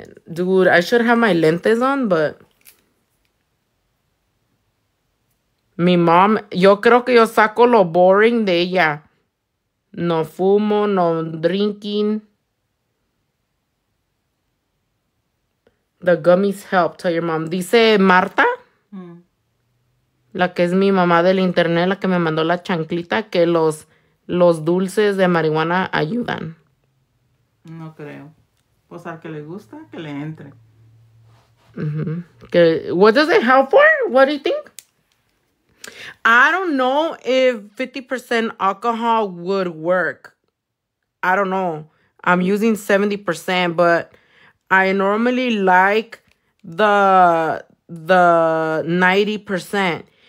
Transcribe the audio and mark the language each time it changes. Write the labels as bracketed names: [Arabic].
[English] Dude, I should have my lentes on, but... [Spanish] Mi mom, yo creo que yo saco lo boring de ella. No fumo, [English] no drinking. The gummies help, tell your mom. [Spanish] Dice Marta, la que es mi mamá del internet, la que me mandó la chanclita, que los dulces de marihuana ayudan. No creo. Pues al que le gusta, que le entre. [English] Mm-hmm. What does it help for? What do you think? I don't know if 50% alcohol would work. I don't know. I'm using 70%, but I normally like the 90%.